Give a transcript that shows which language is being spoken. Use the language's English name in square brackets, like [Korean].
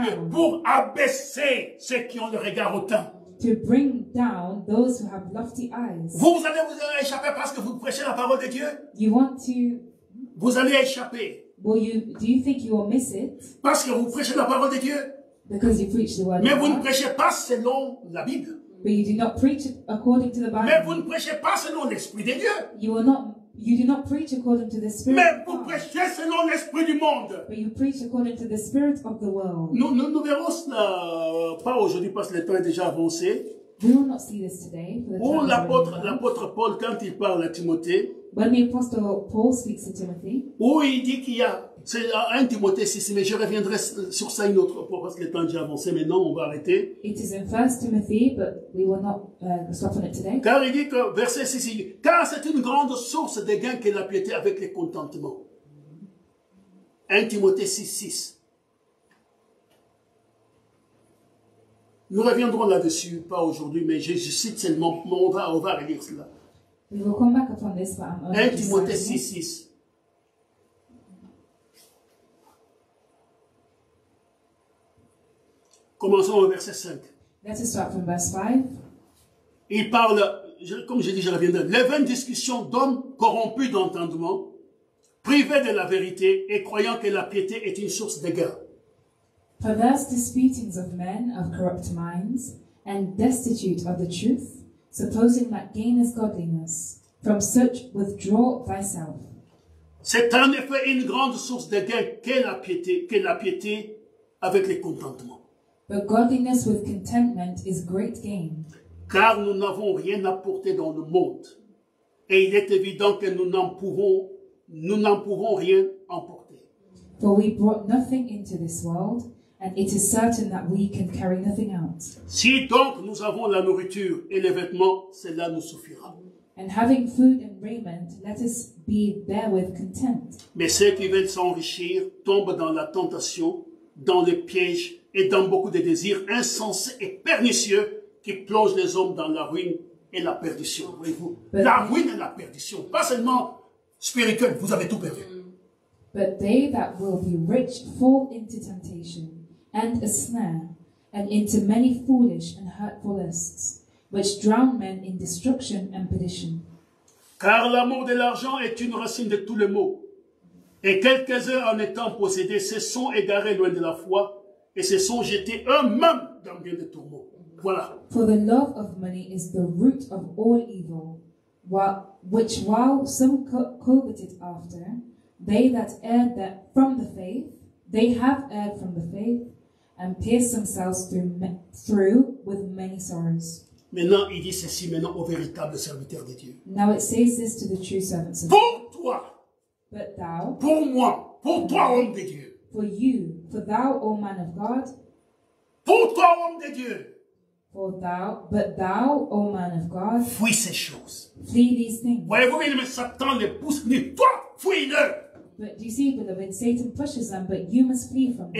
[French] pour abaisser ceux qui ont le regard hautain. [English] To bring down those who have lofty eyes. [French] Vous allez vous échapper parce que vous prêchez la parole de Dieu. [English] You want to. [French] Vous allez échapper. [English] Do you think you will miss it? [French] Parce que vous prêchez la parole de Dieu. [English] Because you preach the word. [French] Mais vous ne prêchez pas selon la Bible. [English] But you do not preach according to the Bible. [French] Mais vous ne prêchez pas selon l'esprit de Dieu. [English] You do not preach according to the spirit. [French] Mais vous prêchez selon l'esprit du monde. [English] But you preach according to the spirit of the world. [French] Nous verrons cela pas aujourd'hui parce que le temps est déjà avancé. [English] We will not see this today. [French] Ou l'apôtre Paul, quand il parle à Timothée, [English] when the apostle Paul speaks to Timothy, [French] où il dit qu'il y a, c'est à 1 Timothée 6, mais je reviendrai sur ça une autre fois parce que le temps est déjà avancé, mais non, on va arrêter. [English] It is in 1 Timothy, but we will not stop on it today. [French] Car il dit que, verset 6, il dit, car c'est une grande source de gain que la piété avec le contentement. 1 Timothée 6, 6. Nous reviendrons là-dessus, pas aujourd'hui, mais je cite seulement, on va relire cela. 1 Timothée 6, 6. Commençons au verset 5. [English] Let's start from verse 5. [French] Il parle, comme j'ai dit, je reviendrai, les vaines discussions d'hommes corrompus d'entendement, privés de la vérité et croyant que la piété est une source de gain. [English] Perverse disputings of men of corrupt minds and destitute of the truth, supposing that gain is godliness, from such withdraw thyself. [French] C'est en effet une grande source de gain que la piété avec le contentement. [English] But godliness with contentment is great gain. [French] Car nous n'avons rien apporté dans le monde, et il est évident que nous n'en pouvons rien emporter. [English] For we brought nothing into this world, and it is certain that we can carry nothing out. [French] Si donc nous avons la nourriture et les vêtements, cela nous suffira. [English] And having food and raiment, let us be there with content. [French] Mais ceux qui veulent s'enrichir tombent dans la tentation, dans le piège et dans beaucoup de désirs insensés et pernicieux qui plongent les hommes dans la ruine et la perdition. Voyez-vous, la ruine et la perdition, pas seulement spirituelle, vous avez tout perdu. [English] But they that will be rich fall into temptation and a snare, and into many foolish and hurtful lusts, which drown men in destruction and perdition. [French] Car l'amour de l'argent est une racine de tous les maux, et quelques-uns en étant possédés se sont égarés loin de la foi et se sont jetés eux-mêmes dans bien des tourments. Voilà. [English] For the love of money is the root of all evil, which while some coveted after, they that erred from the faith, they have erred from the faith, and pierced themselves through with many sorrows. [French] Maintenant, il dit ceci maintenant au véritable serviteur de Dieu. [English] Now it says this to the true servants of God. [French] Pour toi. [English] But thou. [French] Pour moi. Pour toi, homme de Dieu. [English] For you. For thou, O man of God. [French] Pour toi, homme de Dieu. [English] For thou, but thou, O man of God. [French] Fuis ces choses. [English] Flee these things. [French] Voyez-vous, mais Satan les pousse, mais toi. Fuis-le. [English] But do you see, beloved, Satan pushes them, but you must flee from them.